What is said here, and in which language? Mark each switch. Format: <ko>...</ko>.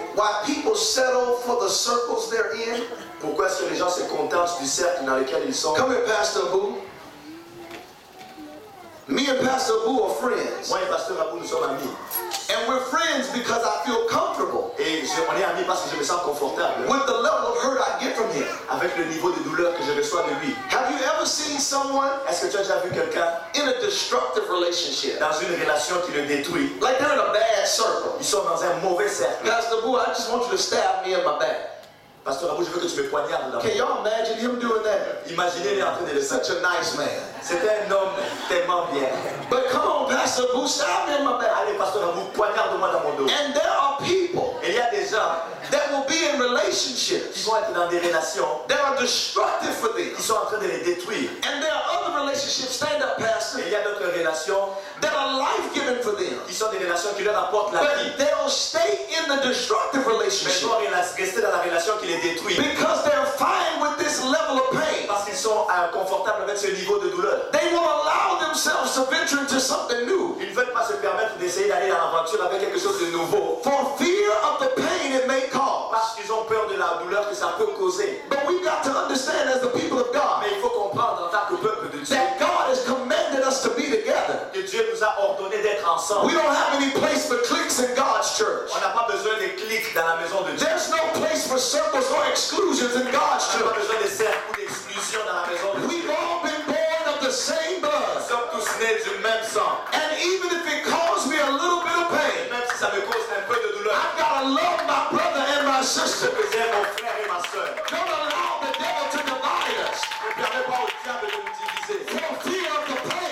<en>Why people settle for the circles they're in?</en> <fr>Pourquoi est-ce que les gens se contentent du cercle dans lequel ils sont?</fr> <en>Come here, Pastor Boo. Me and Pastor Boo are friends.</en> <fr>Moi et Pastor Boo, nous sommes amis.</fr> <en>And we're friends because I feel comfortable.</en> <fr>Et on est amis parce que je me sens confortable.</fr> <en>With the level of hurt I get from him.</en> <fr>Avec le niveau de douleur que je reçois de lui.</fr> <en>Have you ever seen someone?</en> <fr>Est-ce que tu as déjà vu quelqu'un?</fr> <en>In a destructive relationship.</en> <fr>Dans une relation qui le détruit.</fr> <en>Like they're in a bad circle.</en> <fr>Ils sont dans un mauvais cercle.</fr> <en>Pastor Boo, I just want you to stab me in my back.</en> <fr>Pastor Abou, je veux que tu me poignardes là.</fr> <en>Can you imagine him doing that?</en> <fr>Imaginez-le en train de le faire.</fr> <en>Such a nice man.</en> <fr>C'était un homme tellement bien.</fr> <en>But come on, Pastor Abou, stop me in my back.</en> <fr>Allez, Pastor Abou, poignarde-moi dans mon dos.</fr> <en>And there are people.</en> <fr>Et il y a des gens.</fr> <en>That will be in relationships.</en> <fr>Qui vont être dans des relations.</fr> <en>That are destructive for them.</en> <fr>Qui sont en train de les détruire.</fr> <en>And there are other relationships. Stand up, Pastor.</en> <fr>Et il y a d'autres relations.</fr> <en>That are life-giving for them.</en> <fr>Qui sont des relations qui leur apportent la</fr> <en>but</en> <fr>vie.</fr> <en>They will stay in the destructive relationship.</en> <fr>Mais ils vont rester dans la relation qui les détruit.</fr> <en>Because they are fine with this level of pain.</en> <fr>Parce qu'ils sont confortables avec ce niveau de douleur.</fr> <en>They will allow themselves to venture into something new.</en> <fr>Ils ne veulent pas se permettre d'essayer d'aller dans l'aventure avec quelque chose de nouveau.</fr> <en>For fear of the pain it may cause.</en> <fr>Parce qu'ils ont peur de la douleur que ça peut causer.</fr> <en>But we got to understand as the people of God.</en> <fr>Mais il faut comprendre en tant que peuple de Dieu.</fr> <en>That God has commanded us to be together.</en> <fr>Dieu nous a ordonné d'être ensemble.</fr> <en>We don't have any place for cliques in God's church.</en> <fr>On n'a pas besoin de cliques dans la maison de Dieu.</fr> <en>There's no place for circles or exclusions in God's church.</en> <fr>On n'a pas besoin de cercles ou d'exclusions dans la maison de Dieu.</fr> <en>We've all been born of the same blood.</en> <fr>Nous sommes tous nés du même sang.</fr> <en>And even if it caused me a little bit of pain,</en> <fr>même si ça me cause un peu de douleur,</fr> <en>I've got to love my brother and my sister.</en> <fr>Je vais aimer mon frère et ma soeur.</fr> <en>Don't allow the devil to divide us.</en> <fr>Ne permet pas au diable de nous diviser.</fr>